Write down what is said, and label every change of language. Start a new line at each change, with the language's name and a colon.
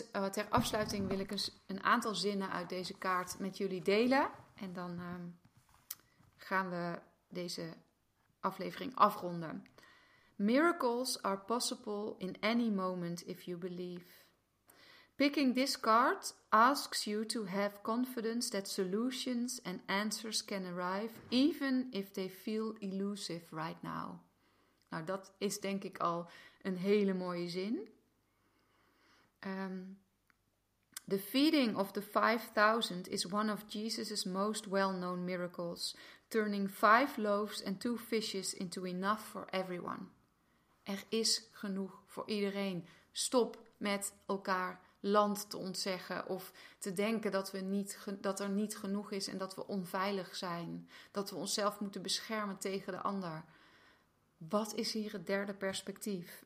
Dutch: ter afsluiting wil ik een aantal zinnen uit deze kaart met jullie delen. En dan gaan we deze aflevering afronden.
English: Miracles are possible in any moment if you believe. Picking this card asks you to have confidence that solutions and answers can arrive, even if they feel elusive right now.
Dutch: Nou, dat is denk ik al een hele mooie zin.
English: The feeding of the 5,000 is one of Jesus' most well-known miracles, turning 5 loaves and 2 fishes into enough for everyone.
Dutch: Er is genoeg voor iedereen. Stop met elkaar land te ontzeggen of te denken dat er niet genoeg is en dat we onveilig zijn. Dat we onszelf moeten beschermen tegen de ander. Wat is hier het derde perspectief?